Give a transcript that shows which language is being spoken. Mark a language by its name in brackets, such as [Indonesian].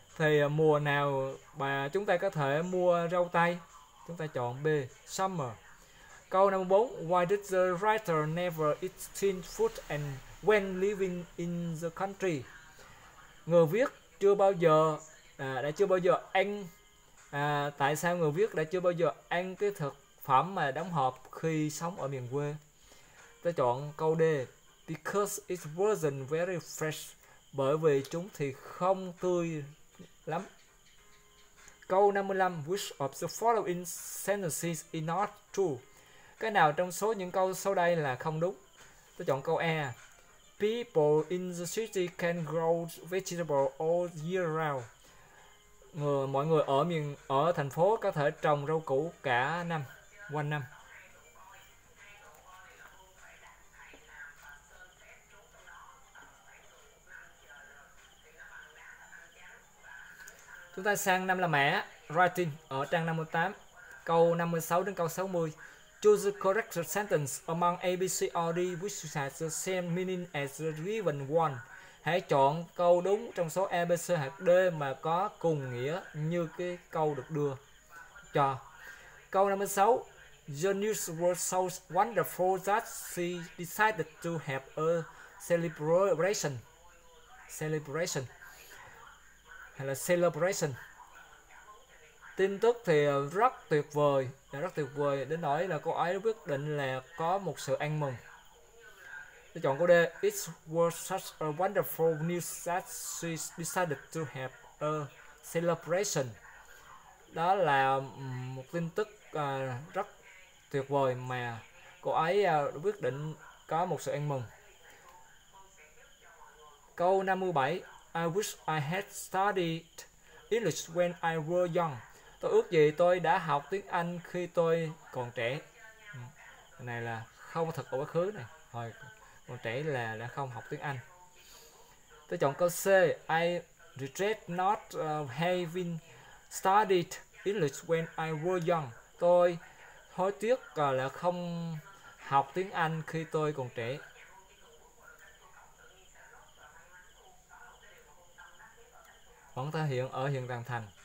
[Vietnamese] Thì mùa nào bà chúng ta có thể mua rau tây? Chúng ta chọn B, summer. [English] Câu number 4, why did the writer never eat tinned food and when living in the country? [Vietnamese] Người viết chưa bao giờ đã chưa bao giờ ăn tại sao người viết đã chưa bao giờ ăn cái thực phẩm mà đóng hộp khi sống ở miền quê? Ta chọn câu D, [English] because it wasn't very fresh, [Vietnamese] bởi vì chúng thì không tươi lắm. [English] Câu 55, which of the following sentences is not true? [Vietnamese] Cái nào trong số những câu sau đây là không đúng? Ta chọn câu E, [English] people in the city can grow vegetable all year round. [Vietnamese] Mọi người ở thành phố có thể trồng rau củ cả năm, quanh năm. Chúng ta sang năm La Mã, writing ở trang 58, câu 56 đến câu 60. [English] Choose the correct sentence among A, B, C, or D which has the same meaning as the given one. [Vietnamese] Hãy chọn câu đúng trong số A, B, C hoặc D mà có cùng nghĩa như cái câu được đưa cho. Câu 56. [English] The news was so wonderful that she decided to have a celebration. Celebration. Hay là celebration. [Vietnamese] Tin tức thì rất tuyệt vời đến nỗi là cô ấy quyết định là có một sự ăn mừng. Tôi chọn câu D, [English] it was such a wonderful news that she decided to have a celebration. [Vietnamese] Đó là một tin tức rất tuyệt vời mà cô ấy quyết định có một sự ăn mừng. [English] Câu 57, I wish I had studied English when I were young. [Vietnamese] Tôi ước gì tôi đã học tiếng Anh khi tôi còn trẻ. Này là không thật ở quá khứ này. Hồi còn trẻ là đã không học tiếng Anh. Tôi chọn câu C. [English] I regret not having studied English when I were young. [Vietnamese] Tôi hối tiếc là không học tiếng Anh khi tôi còn trẻ. Vẫn thể hiện ở hiện tại thành.